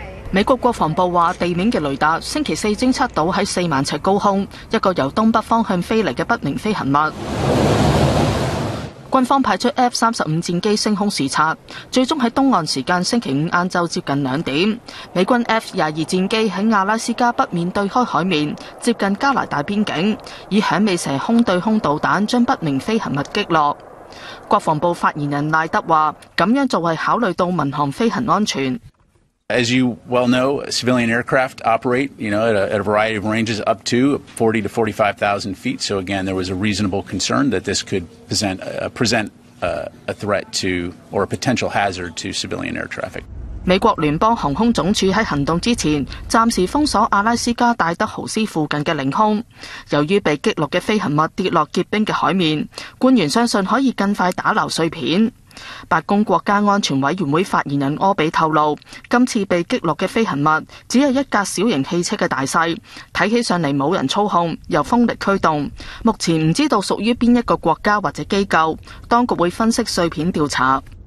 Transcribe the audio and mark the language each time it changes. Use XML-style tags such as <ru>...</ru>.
<zh>美國國防部說地面的雷達星期四偵測到在40000呎高空一個由東北方向飛來的不明飛行物，軍方派出 F-35 戰機升空視察，最終在東岸時間星期五下午接近兩點，美軍 F-22 戰機在阿拉斯加北面對開海面接近加拿大邊境，以響尾蛇空對空導彈將不明飛行物擊落。國防部發言人賴德說，這樣就是考慮到民航飛行安全。</zh> <en>As you well know, civilian aircraft operate, you know, at a variety of ranges up to 40 to 45,000 feet. So again, there was a reasonable concern that this could present a threat to or a potential hazard to civilian air traffic.</en> <zh>美國聯邦航空總署在行動之前暫時封鎖阿拉斯加戴德豪斯附近的領空，由於被擊落的飛行物跌落結冰的海面，官員相信可以更快打撈碎片。白宫国家安全委员会发言人柯比透露，今次被击落的飞行物只是一架小型汽车的大小，看起上来没有人操控，由风力驱动，目前不知道属于哪一个国家或者机构，当局会分析碎片调查。</zh>